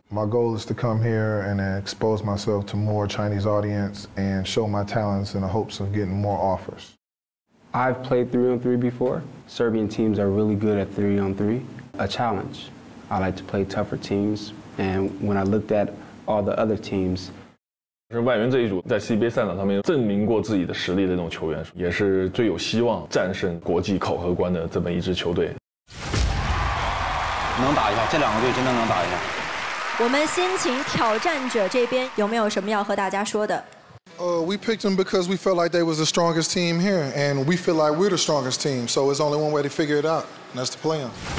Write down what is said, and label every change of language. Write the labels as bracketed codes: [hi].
[en] My goal is to come here and expose myself to more Chinese audience and show my talents in the hopes of getting more offers. I've played 3-on-3 before. Serbian teams are really good at 3-on-3. A challenge. I like to play tougher teams. And when I looked at all the other teams, [zh] 是外援这一组在 CBA 赛场上面证明过自己的实力的那种球员，也是最有希望战胜国际考核官的这么一支球队。能打一下，这两个队真的能打一下。我们先请挑战者这边有没有什么要和大家说的？ [en] We picked them because we felt like they was the strongest team here, and we feel like we're the strongest team. So it's only one way to figure it out, and that's to play them.